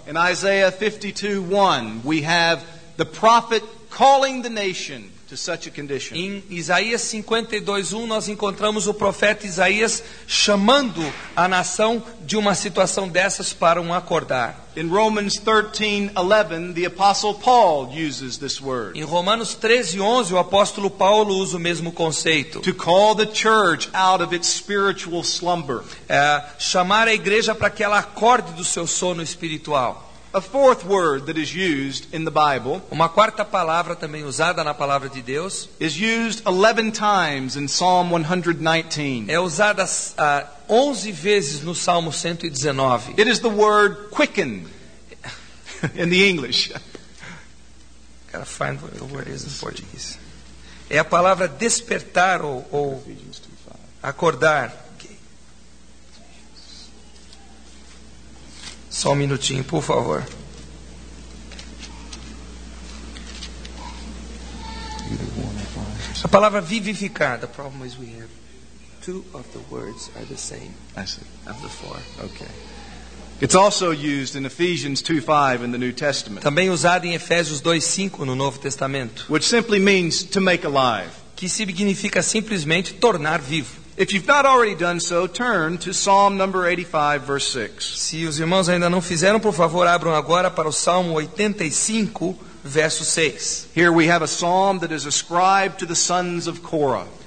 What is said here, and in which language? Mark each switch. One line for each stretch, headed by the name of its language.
English: In Isaiah 52:1, we have the prophet calling the nation to such a condition.
Portuguese: Em Isaías 52:1, nós encontramos o profeta Isaías chamando a nação de uma situação dessas para acordar.
English: In Romans 13:11, the apostle Paul uses this word.
Portuguese: Em Romanos 13:11, o apóstolo Paulo usa o mesmo conceito.
English: To call the church out of its spiritual slumber.
Portuguese: Chamar a igreja para que ela acorde do seu sono espiritual.
English: A fourth word that is used in the Bible.
Portuguese: Uma quarta palavra também usada na palavra de Deus.
English: Is used 11 times in Psalm 119.
Portuguese: É usada 11 vezes no Salmo 119.
English: It is the word quicken in the English. Gotta find what the word is in Portuguese.
Portuguese: É a palavra despertar ou acordar. Só um minutinho, por favor. A palavra vivificar,
English: the problem is we have two of the words are the same. I see. Of the four. Okay. It's also used in Ephesians 2:5 in the New Testament.
Portuguese: Também usado em Efésios 2:5 no Novo Testamento.
English: Which simply means to make alive.
Portuguese: Que significa simplesmente tornar vivo.
English: If you've not already done so, turn to Psalm number 85, verse 6.
Portuguese: Se os irmãos ainda não fizeram, por favor, abram agora para o Salmo 85, verso 6.
English: Here we have a psalm that is ascribed to the sons of Korah.